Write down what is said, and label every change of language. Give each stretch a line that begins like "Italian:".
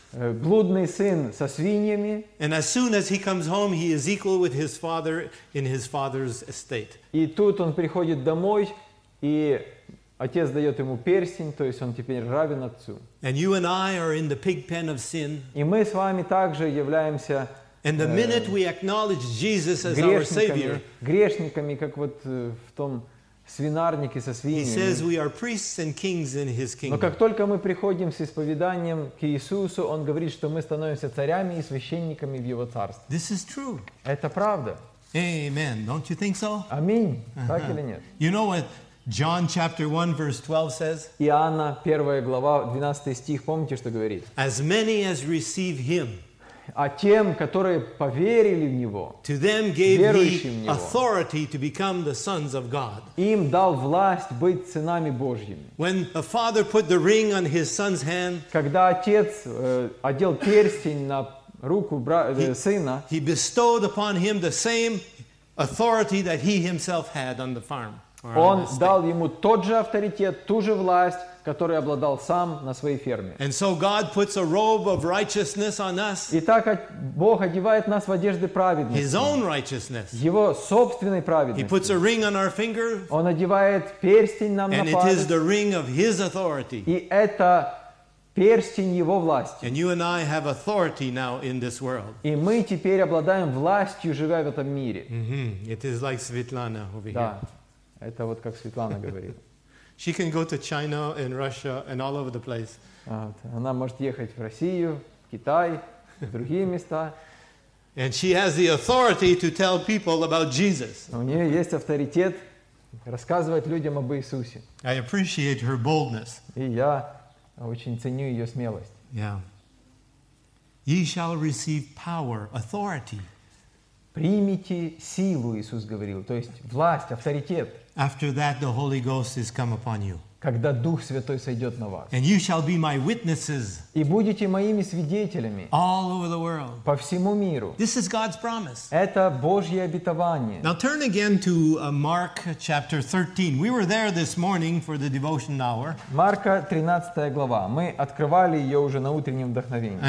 Russian: Блудный сын со свиньями.
English: And as soon as he comes home, he is equal with his father in his father's estate.
Russian: И тут он приходит домой, и отец дает ему перстень, то есть он теперь равен отцу.
English: And you and I are in the pig pen of sin.
Russian: И мы с вами также являемся
English: And the minute we acknowledge Jesus as our Savior,
Russian: грешниками, как вот в том свинарнике со свиньями.
English: He says we are priests and kings in His kingdom.
Russian: Но как только мы приходим с исповеданием к Иисусу, Он говорит, что мы становимся царями и священниками в Его царстве.
English: This is true.
Russian: Это правда.
English: Amen. Don't you think so?
Russian: Аминь. Так или нет?
English: You know what John chapter 1 verse 12 says?
Russian: Иоанна 1 глава 12 стих. Помните, что говорит?
English: As many as receive Him.
Russian: А тем, которые поверили в Него,
English: to them gave
Russian: верующим в Него,
English: authority to become the sons of God.
Russian: Им дал власть быть сынами Божьими.
English: When a father put the ring on his son's hand,
Russian: когда отец одел перстень на руку сына,
English: he bestowed upon him the same authority that he himself had on the farm.
Russian: Он дал ему тот же авторитет, ту же власть, который обладал сам на своей ферме.
English: And so God puts a robe of righteousness on us.
Russian: Итак, Бог одевает нас в одежды праведности.
English: His own righteousness.
Russian: Его собственной праведности.
English: He puts a ring on our finger.
Russian: Он одевает перстень нам на палец.
English: And it is the ring of His authority.
Russian: И это перстень Его власти.
English: And you and I have authority now in this world.
Russian: И мы теперь обладаем властью, живя в этом мире. Mm-hmm.
English: It is like Svetlana over here.
Russian: Да, это вот как Светлана говорит.
English: She can go to China and Russia and all over the place.
Russian: Она может ехать в Россию, в Китай, в другие места.
English: And she has the authority to tell people about Jesus.
Russian: У нее есть авторитет рассказывать людям об Иисусе.
English: I appreciate her boldness.
Russian: И я очень ценю ее смелость.
English: Yeah. Ye shall receive power, authority.
Russian: Примите силу, Иисус говорил, то есть власть, авторитет.
English: After that, the Holy Ghost is come upon you.
Russian: Когда Дух Святой сойдет на вас.
English: And you shall be my witnesses.
Russian: И будете моими свидетелями.
English: All over the world.
Russian: По всему миру.
English: This is God's promise.
Russian: Это Божье обетование.
English: Now turn again to Mark chapter 13. We were there this morning for the devotion hour.
Russian: Марка 13 глава. Мы открывали ее уже на утреннем вдохновении.